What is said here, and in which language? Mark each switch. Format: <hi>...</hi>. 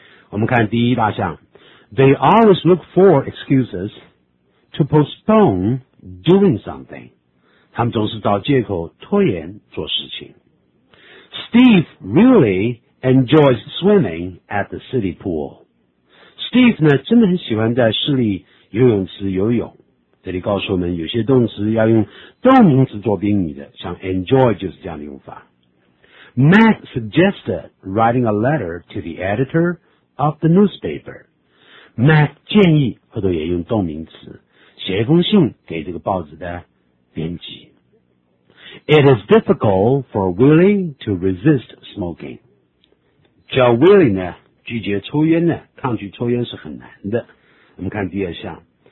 <zh>我们看第一大项，</zh> <en>They always look for excuses to postpone doing something，</en> <zh>他们总是找借口拖延做事情。</zh> <en>Steve really enjoys swimming at the city pool。</en> <zh>Steve 呢真的很喜欢在市里游泳池游泳。这里告诉我们有些动词要用动名词做宾语的，像 enjoy 就是这样的用法。</zh> <en>Matt suggested writing a letter to the editor of the newspaper。</en> <zh>Matt 建议，后头也用动名词，写一封信给这个报纸的编辑。</zh> <en>It is difficult for Willie to resist smoking.</en> <zh>叫 Willie 呢拒绝抽烟呢抗拒抽烟是很难的。我们看第二项。</zh>